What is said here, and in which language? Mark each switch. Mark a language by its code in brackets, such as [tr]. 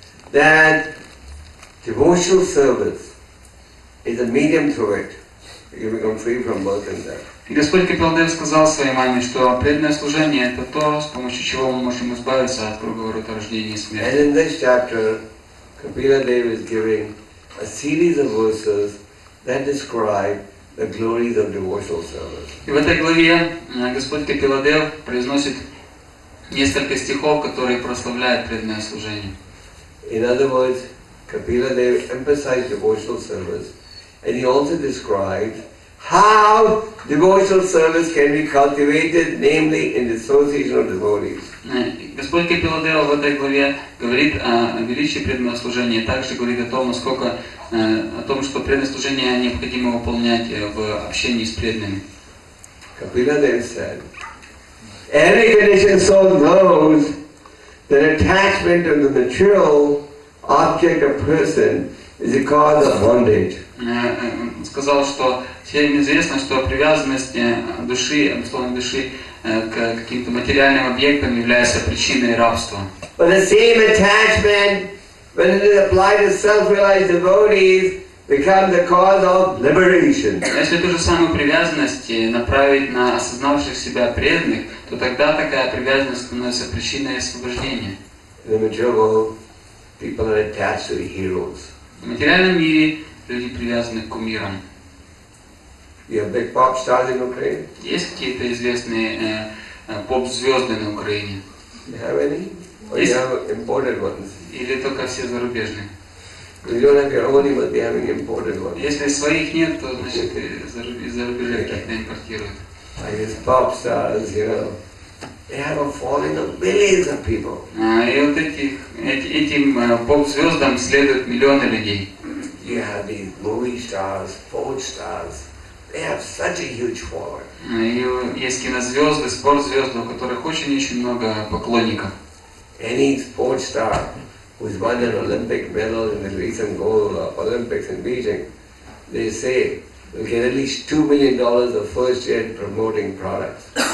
[en] That devotional service is a medium through it you become free from birth and death. [ru] Господь Капиладев сказал своей маме, что преданное служение это то, с помощью чего мы можем избавиться от круговорота рождения и смерти. [en] And in this chapter, Капиладев is giving a series of verses that describe the glories of devotional service. [ru] И в этой главе Господь Капиладев произносит несколько стихов, которые прославляют преданное служение. [en] In other words, Kapila Dev emphasized devotional service, and he also described how devotional service can be cultivated, namely in the association of devotees. [ru] Господь Капила Дев в этой главе говорит о величии преданного служения, также говорит о том, насколько о том, что преданное служение необходимо выполнять в общении с преданными. [en] Kapila Dev said, "Every conditioned soul knows that attachment to the material object of person is a cause of bondage." [ru] Сказал, что всем известно, что привязанность души, обусловленной души к каким-то материальным объектам является причиной рабства. [en] But the same attachment, when it is applied to self-realized devotees, becomes the cause of liberation. [ru] Если ту же самую привязанность направить на осознавших себя преданных, то тогда такая привязанность становится причиной освобождения. [en] People are attached to the heroes. [ru] В материальном мире люди привязаны к кумирам. [en] You have big pop stars in Ukraine? [ru] Есть какие-то известные поп-звезды на Украине? [en] You have any? Or you have imported ones? [ru] Или только все зарубежные? [en] You don't have your own, but they have an imported one. [ru] Если своих нет, то значит зарубежные какие-то импортируют. [en] And these pop stars, you know. They have a following of millions of people. [ru] И вот этим поп-звездам следуют миллионы людей. [en] You have these movie stars, sport stars. They have such a huge following. [ru] Есть кинозвезды, спортзвезды, у которых очень много поклонников. [en] Any sport star who's won an Olympic medal in the recent gold Olympics in Beijing, they say, we get at least $2 million of first-hand promoting products.